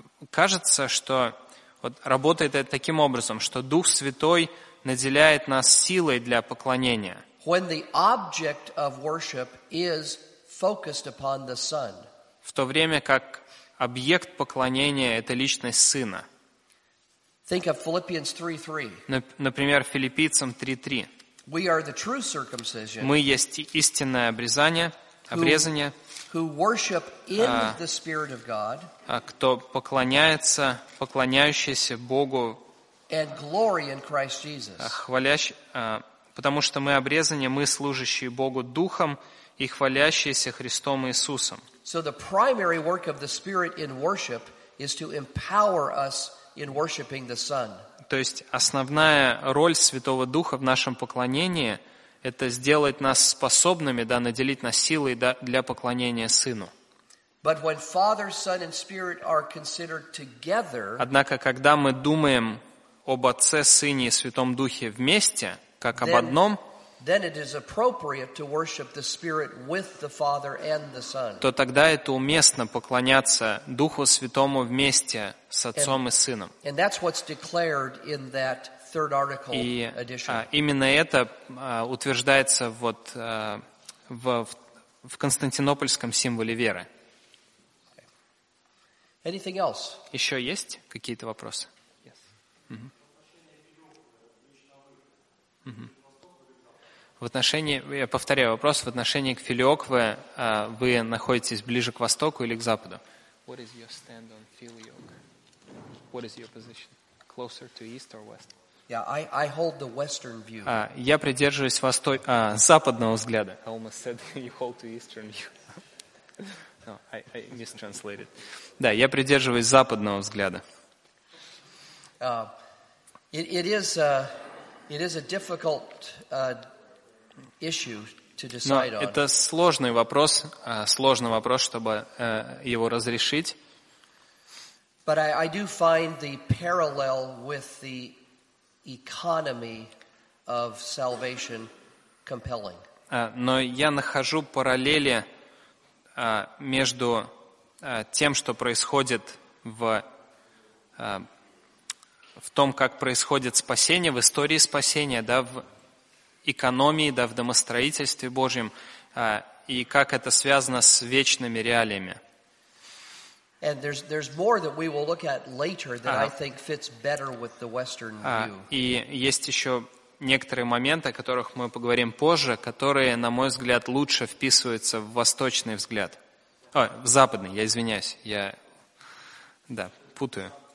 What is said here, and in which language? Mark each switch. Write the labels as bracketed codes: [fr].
[ru] Кажется, что вот работает это таким образом, что Дух Святой наделяет нас силой для поклонения. [en] When the object of worship is focused upon the Son. [ru] В то время как объект поклонения это личность Сына. [en] Think of Philippians 3:3. [ru] Например, Филиппийцам 3:3. [en] We are the true circumcision. [ru] Мы есть истинное обрезание. Обрезание, [en] who worship in the Spirit of God, [ru] кто поклоняется, поклоняющийся Богу, [en] and glory in Christ Jesus. [ru] Потому что мы обрезание, мы служащие Богу Духом и хвалящиеся Христом Иисусом. [en] So the primary work of the Spirit in worship is to empower us in worshiping the Son. [ru] То есть основная роль Святого Духа в нашем поклонении – это сделать нас способными, да, наделить нас силой, да, для поклонения Сыну. [en] But when Father, Son, and Spirit are considered together, [ru] однако, когда мы думаем об Отце, Сыне и Святом Духе вместе, как об одном, [en] then it is appropriate to worship the Spirit with the Father and the Son. [ru] То тогда это уместно поклоняться Духу Святому вместе с Отцом и Сыном. [en] And that's what's declared in that third article edition. [ru] Именно это утверждается вот в Константинопольском символе веры. [en] Anything else? [ru] Еще есть какие-то вопросы? [en] Yes. [ru] В отношении, я повторяю вопрос, в отношении к Филиокве вы находитесь ближе к востоку или к западу? [en] What is your stand on Filioque? What is your position? Closer to east or west? Yeah, I hold the western view. [ru] Я придерживаюсь западного взгляда. [en] I almost said you hold to eastern view. No, I mistranslated. [ru] Да, я придерживаюсь западного взгляда. [en] It is a difficult issue to decide on. [ru] Но это сложный вопрос, чтобы его разрешить. [en] But I do find the parallel with the economy of salvation compelling. [ru] Но я нахожу параллели между тем, что происходит в том, как происходит спасение, в истории спасения, да, в экономии, да, в домостроительстве Божьем, и как это связано с вечными реалиями. [en] And there's more that we will look at later that I think fits better with the Western view. [ru] И есть еще некоторые моменты, о которых мы поговорим позже, которые, на мой взгляд, лучше вписываются в восточный взгляд. В западный, я извиняюсь, я путаю.